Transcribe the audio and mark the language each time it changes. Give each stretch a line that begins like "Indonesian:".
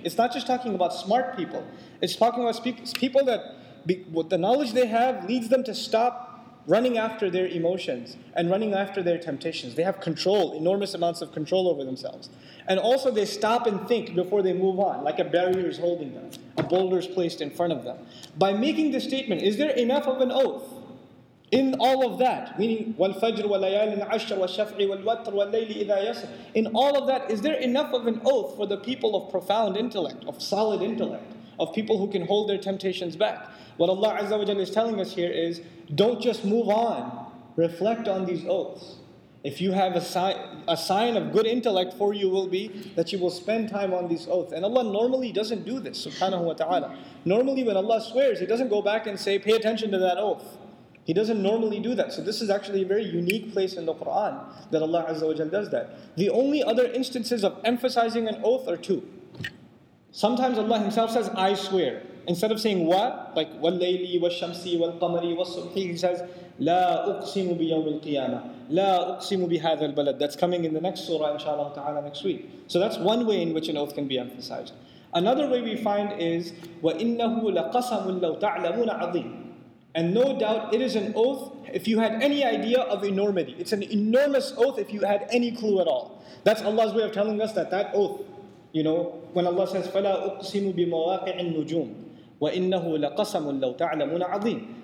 English: It's not just talking about smart people. It's talking about people that, with the knowledge they have, leads them to stop running after their emotions and running after their temptations. They have control, enormous amounts of control over themselves. And also they stop and think before they move on, like a barrier is holding them, a boulder is placed in front of them. By making the statement, is there enough of an oath in all of that? Meaning,
Arabic: وَالْفَجْرُ وَلَيَالٍ عَشْرٍ وَالشَّفْعِ وَالْوَتْرِ وَاللَّيْلِ إِذَا يَسْرٍ.
English: In all of that, is there enough of an oath for the people of profound intellect, of solid intellect, of people who can hold their temptations back? What Allah Azza wa Jalla is telling us here is, don't just move on, reflect on these oaths. If you have a sign of good intellect for you will be that you will spend time on these oaths. And Allah normally doesn't do this, subhanahu wa ta'ala. Normally when Allah swears, He doesn't go back and say, pay attention to that oath. He doesn't normally do that. So this is actually a very unique place in the Qur'an that Allah Azza wa Jalla does that. The only other instances of emphasizing an oath are two. Sometimes Allah Himself says, I swear. Instead of saying what, like
Arabic: وَاللَّيْلِ وَالشَّمْسِ وَالْقَمَرِ وَالصُّبْحِ,
English: He says,
Arabic: لَا أُقْسِمُ بِيَوْمِ الْقِيَامَةِ لَا أُقْسِمُ بِهَذَا الْبَلَدِ.
English: That's coming in the next surah, inshallah ta'ala, next week. So that's one way in which an oath can be emphasized.
Arabic: Another way we find is, وَإِنَّهُ لَقَسَمٌ لَوْ تَعْلَمُونَ عَظِيمٌ.
English: And no doubt it is an oath if you had any idea of enormity. It's an enormous oath if you had any clue at all. That's Allah's way of telling us that that oath, you know, when Allah says,
Arabic: فَلَا أُقْسِمُ بِمَوَاقِعِ النُّجُومِ وَإِنَّهُ لَقَسَمٌ لَوْ تَعْلَمُونَ عَظِيمٌ.